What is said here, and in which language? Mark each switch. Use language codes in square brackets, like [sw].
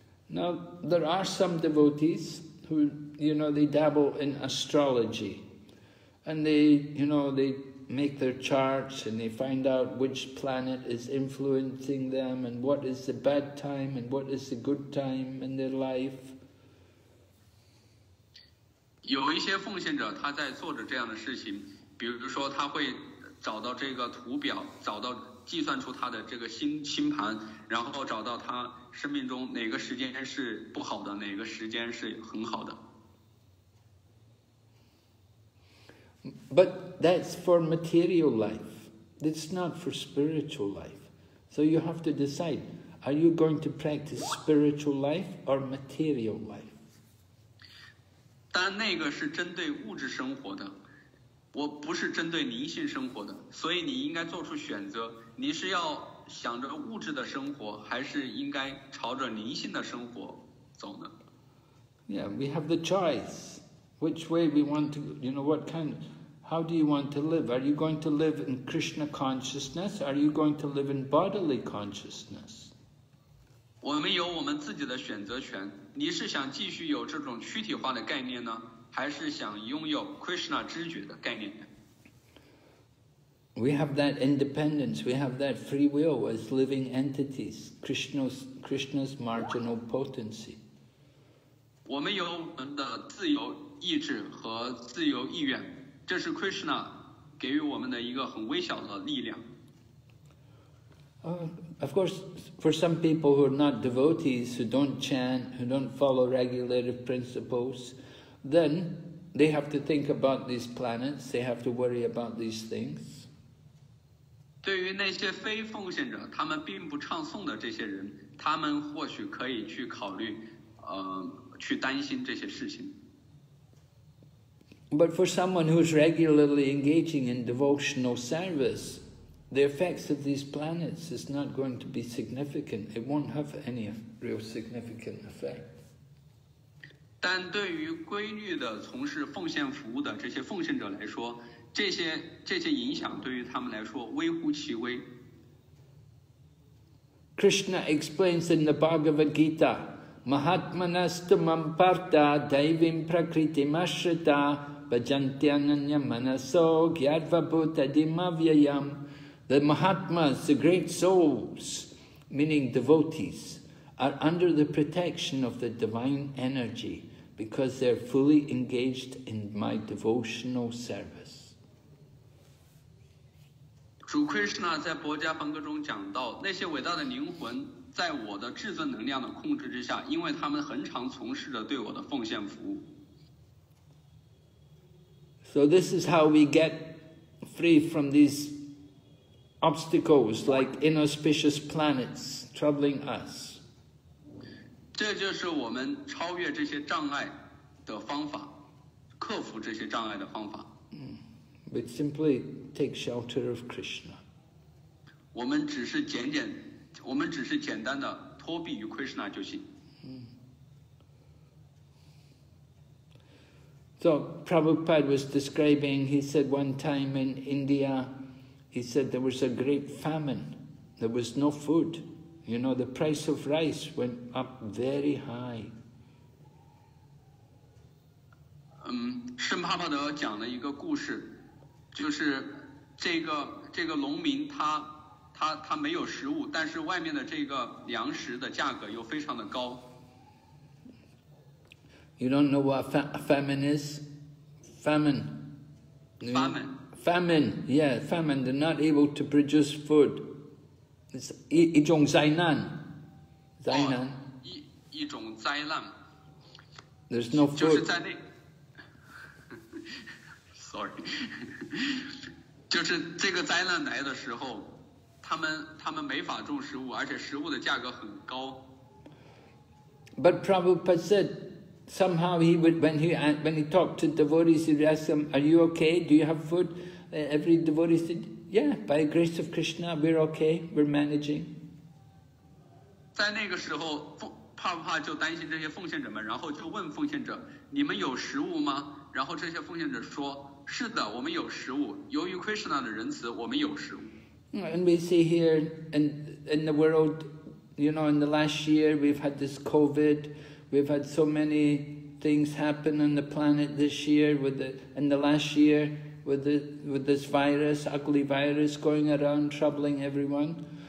[en] Now there are some devotees who, you know, they dabble in astrology, and they, you know, they make their charts and they find out which planet is influencing them and what is the bad time and what is the good time in their life. [zh] 有一些奉献者他在做着这样的事情，比如说他会找到这个图表，找到。计算出他的这个星盘，然后找到他生命中哪个时间是不好的，哪个时间是很好的。 [en] But that's for material life. That's not for spiritual life. So you have to decide: are you going to practice spiritual life or material life? [zh] 但那个是针对物质生活的。我不是针对灵性生活的，所以你应该做出选择，你是要想着物质的生活，还是应该朝着灵性的生活走呢？ [en] Yeah, we have the choice. Which way we want to, you know, what kind, How do you want to live? Are you going to live in Krishna consciousness? Are you going to live in bodily consciousness? [zh] 我们有我们自己的选择权。你是想继续有这种躯体化的概念呢，还是想拥有 Krishna 知觉的概念呢？ [en] We have that independence. We have that free will as living entities. Krishna's marginal potency. [zh] 我们有我们的自由意志和自由意愿。这是 Krishna 给予我们的一个很微小的力量。 [en] Of course, for some people who are not devotees, who don't chant, who don't follow regulative principles, then they have to think about these planets, they have to worry about these things. [zh] 对于那些非奉献者，他们并不唱诵的这些人，他们或许可以去考虑，去担心这些事情。 [en] But for someone who is regularly engaging in devotional service, the effects of these planets is not going to be significant. It won't have any real significant effect. [zh] 但对于规律的从事奉献服务的这些奉献者来说，这些影响对于他们来说微乎其微。 [en] Krishna explains in the Bhagavad Gita, [sa] Mahatmanastu Mamparta Daivim Prakritim Ashrita Bhajantyananya Manaso Gyarvabhuta Dimavyayam. [en] The Mahatmas, the great souls, meaning devotees, are under the protection of the divine energy because they are fully engaged in my devotional service. [zh] 主 Krishna 在《薄伽梵歌》中讲到，那些伟大的灵魂在我的至尊能量的控制之下，因为他们恒常从事着对我的奉献服务。 [en] So this is how we get free from these obstacles like inauspicious planets troubling us. [zh] 这就是我们超越这些障碍的方法，克服这些障碍的方法。 [en] We simply take shelter of Krishna. [zh] 我们只是简单的托庇于 Krishna 就行。 [en] So Prabhupada was describing, he said one time in India,He said there was a great famine. There was no food. You know, the price of rice went up very high. [zh] 圣帕帕德讲了一个故事，就是这个农民他没有食物，但是外面的这个粮食的价格又非常的高。 [en] You don't know what famine is? Famine. Famine. Famine, they're not able to produce food. It's [zh] 一种灾难。灾难。一种灾难。 [en] There's no food. [zh] 就是在那。 [en] Sorry. [zh] 就是这个灾难来的时候，他们没法种食物，而且食物的价格很高。 [en] But Prabhupada said,somehow he would, when he talked to devotees, he'd ask them, are you okay? Do you have food? Every devotee said, yeah, by the grace of Krishna, we're okay, we're managing. [zh] 在那个时候，帕帕就担心这些奉献者们，然后就问奉献者，你们有食物吗？然后这些奉献者说，是的，我们有食物。由于 Krishna 的仁慈，我们有食物。 [en] And we see here in the world, you know, in the last year, we've had this COVID. We've had so many things happen on the planet this year, with this virus, ugly virus going around, troubling everyone.